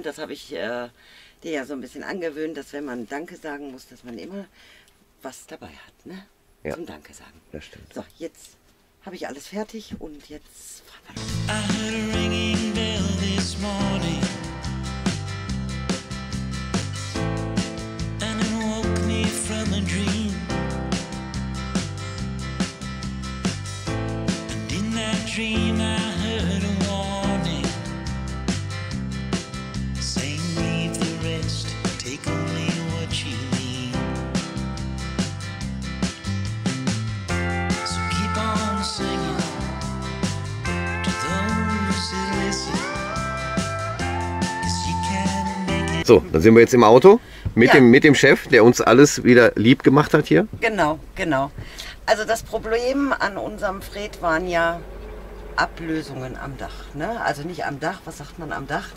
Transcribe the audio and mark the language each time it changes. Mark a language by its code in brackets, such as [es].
[de] Das habe ich dir ja so ein bisschen angewöhnt, dass wenn man Danke sagen muss, dass man immer was dabei hat, ne? Ja. Zum Danke sagen. Das stimmt. So, jetzt habe ich alles fertig und jetzt fahren wir los. [en] I heard a ringing bell this morning. And it woke me from a dream. Dream, I heard a warning saying, leave the rest, take only what you need. So keep on singing to those who listen. Yes, you can make it. [de] So, dann sind wir jetzt im Auto mit, ja, mit dem Chef, der uns alles wieder lieb gemacht hat hier. Genau, genau. Also, das Problem an unserem Fred waren ja Ablösungen am Dach, ne? Also nicht am Dach, was sagt man am Dach?